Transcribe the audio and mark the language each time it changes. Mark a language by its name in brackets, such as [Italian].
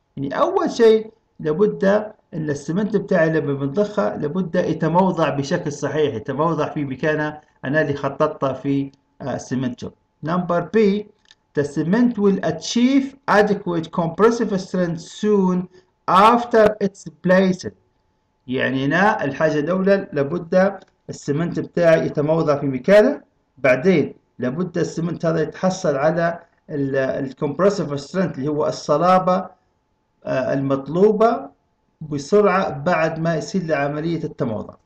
[Arabic] يعني اول شيء لابد ان السمنت بتاعي لما بنضخه لابد يتموضع بشكل صحيح، يتموضع في مكانه انا اللي خططته في السمنت جوب. [English] Number B, the cement will achieve adequate compressive strength soon after it's placed. [Arabic] يعني هنا الحاجه الاولى لابد السمنت بتاعي يتموضع في مكانه، بعدين لابد السمنت هذا يتحصل على الكومبرسيف سترينث اللي هو الصلابه المطلوبه بسرعة بعد ما يصير لعملية التموضع.